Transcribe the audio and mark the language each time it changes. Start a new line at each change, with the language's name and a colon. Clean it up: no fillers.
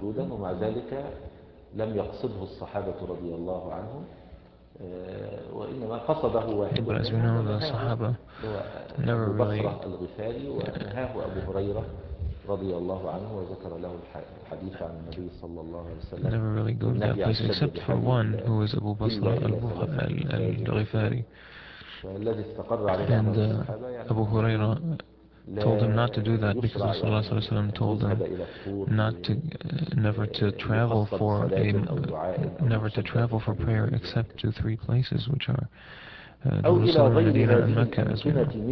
Arabic: ومع ذلك لم يقصده الصحابة رضي الله عنهم وإنما قصده واحد
English: but as we know the Sahaba never really
Arabic: ونهاه أبو هريرة رضي الله عنه وذكر له الحديث عن النبي صلى الله عليه وسلم
English: never really go to that place except for one who is Abu Basra al-Ghifari and Abu Huraira told him not to do that because Rasulullah صلى الله عليه وسلم told him not to never to travel for a never to travel for prayer except to three places which are Jerusalem, Medina and Mecca as we know.